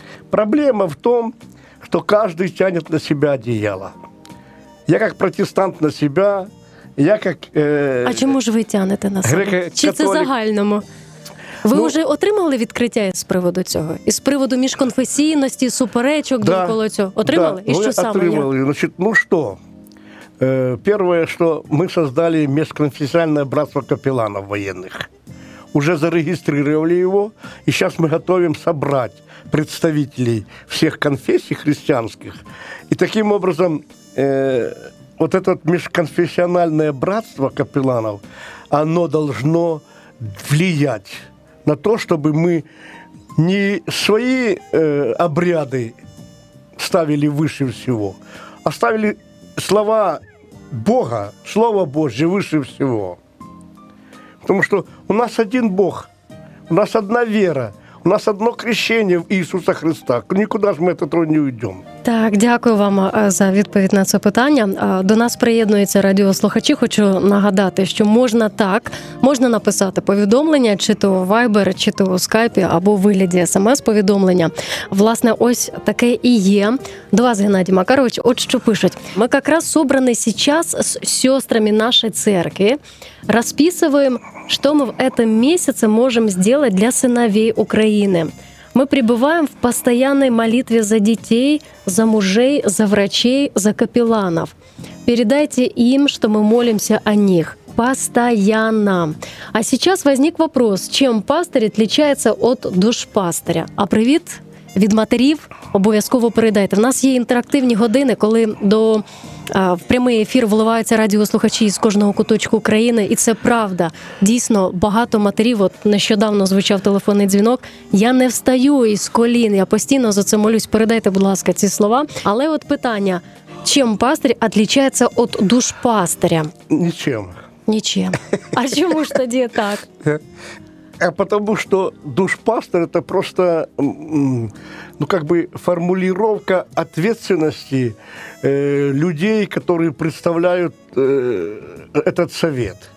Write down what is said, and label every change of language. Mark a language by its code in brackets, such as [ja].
[ru] Проблема в том, что каждый тянет на себя одеяло. Я как протестант на себя, я как... А чему же вы тянете на себя? [uk] Чи це загальному? Ви вже отримали відкриття з приводу цього? І з приводу міжконфесійності, суперечок довкола цього? Отримали? [ru] Да, [uk] і що саме? Отримали. Значить, ну що? Перше, що ми створили міжконфесійне братство капеланів воєнних. Уже зареєстрували його. І зараз ми готуємо зібрати представників всіх конфесій християнських. [ru] І таким образом, [uk] от це міжконфесійне братство капеланів, воно має впливати [ru] на то, чтобы мы не свои обряды ставили выше всего, а ставили слова Бога, Слово Божье выше всего. Потому что у нас один Бог, у нас одна вера, у нас одно крещение в Иисуса Христа. Никуда же мы от этого не уйдем. [uk] Так, дякую вам за відповідь на це питання. До нас приєднуються радіослухачі. Хочу нагадати, що можна так, можна написати повідомлення, чи то в Viber, чи то у Skype, або в вигляді SMS-повідомлення. Власне, ось таке і є. До вас, Геннадій Макарович, от що пишуть. Ми якраз зібрані зараз з сестрами нашої церкви, розписуємо, що ми в цьому місяці можемо зробити для синовей України. [ru] Мы пребываем в постоянной молитве за детей, за мужей, за врачей, за капелланов. Передайте им, что мы молимся о них. Постоянно. А сейчас возник вопрос, чем пастырь отличается от душпастыря? А привет от матерей обовязково передайте. У нас есть интерактивные годины, когда до [uk] В прямий ефір вливаються радіослухачі з кожного куточку країни, і це правда. Дійсно, багато матерів, от нещодавно звучав телефонний дзвінок, я не встаю із колін, я постійно за це молюсь, передайте, будь ласка, ці слова. Але от питання, чим пастир відрізняється від душпастиря? Нічим. Нічим. А чому ж тоді так? Тому що душпастир – це просто, [ru] ну, как бы формулировка ответственности людей, которые представляют этот совет.